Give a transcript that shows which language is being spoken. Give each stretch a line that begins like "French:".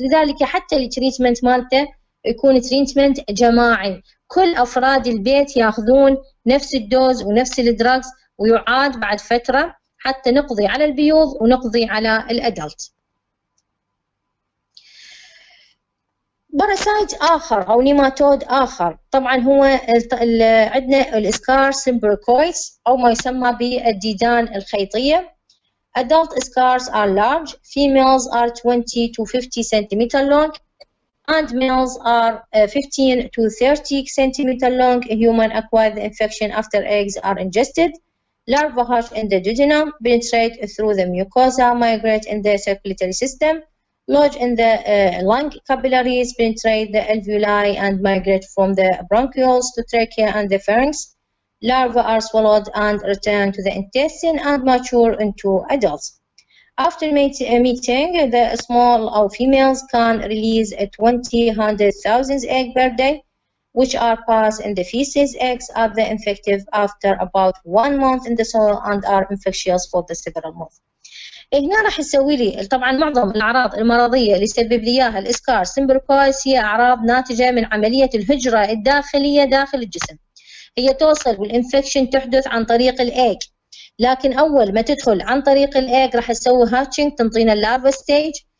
Arabic: لذلك حتى التريتمنت مالته يكون تريتمنت جماعي، كل أفراد البيت يأخذون نفس الدوز ونفس الدراغز ويعاد بعد فترة حتى نقضي على البيوض ونقضي على الأدلت. باراسايت آخر أو نيماتود آخر طبعا هو عندنا الإسكار سيمبركويس أو ما يسمى بالديدان الخيطية.
English: Adult scars are large, females are 20 to 50 centimeter long and males are 15 to 30 centimeter long. Human acquire the infection after eggs are ingested. Larva hatch in the duodenum, penetrate through the mucosa, migrate in the circulatory system, lodge in the lung capillaries, penetrate the alveoli and migrate from the bronchioles to trachea and the pharynx. larvae are swallowed and return to the intestine and mature into adults. After mating, the small females can release 20,000 egg per day, which are passed in the feces. Eggs of the infected after about 1 month in the soil and are infectious for the several months.
Arabic: هنا راح يسوي لي طبعا معظم الاعراض المرضيه اللي سبب لي اياها الاسكار سمبروكوس هي اعراض ناتجه من عمليه الهجره الداخليه داخل الجسم. هي توصل والانفكشن تحدث عن طريق الايج، لكن اول ما تدخل عن طريق الايج راح تسوي هاتشنج تنطينا اللارفا ستيج.